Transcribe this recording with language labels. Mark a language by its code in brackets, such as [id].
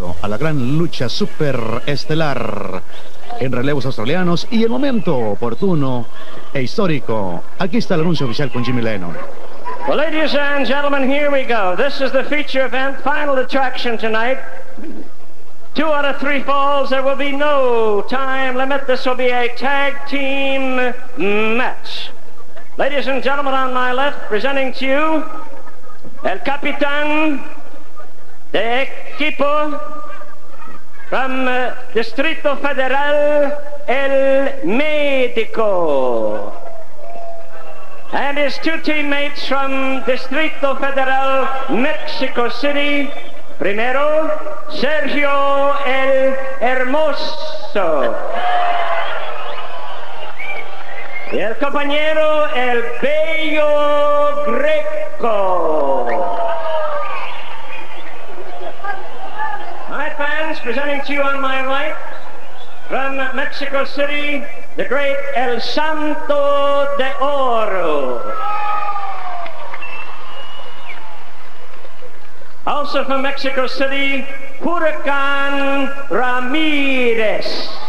[es] la gran lucha superestelar en relevos australianos y el momento oportuno e histórico. Aquí está el anuncio oficial con Jimmy Lennon. [en] Well, ladies and gentlemen, here we go. This is the feature event, final attraction tonight. Two out of three falls, there will be no time limit. This will be a tag team match. Ladies and gentlemen, on my left, presenting to you, [es] el capitán de equipo [en] from Distrito Federal, el médico. And his two teammates from Distrito Federal, Mexico City. [es] Primero, Sergio el Hermoso. Y el compañero, el Bello Greco. [en] My fans, presenting to you on my right, from Mexico City, the great El Santo de Oro. Also from Mexico City, Huracán Ramírez.